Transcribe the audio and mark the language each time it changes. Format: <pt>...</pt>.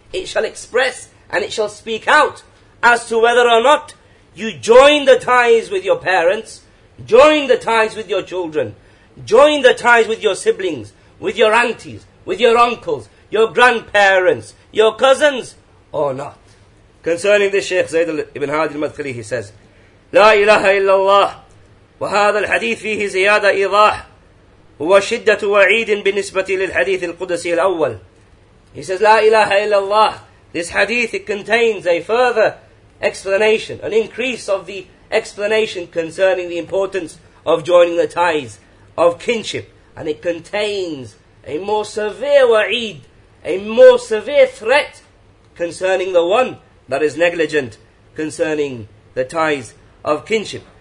<en>It shall express and it shall speak out as to whether or not you join the ties with your parents, join the ties with your children, join the ties with your siblings, with your aunties, with your uncles, your grandparents, your cousins, or not. Concerning this, Shaykh Zayd ibn Hadi al-Madkhali, he says,</en> <ar>لا إله إلا الله وهذا الحديث فيه زيادة إيضاح هو شدة وعيد بالنسبة للحديث القدسي الأول.</ar> <en>He says,</en> <ar>لا إله إلا الله.</ar> <en>This hadith, it contains a further explanation, an increase of the explanation concerning the importance of joining the ties of kinship. And it contains a more severe wa'id, a more severe threat concerning the one that is negligent concerning the ties of kinship.</en>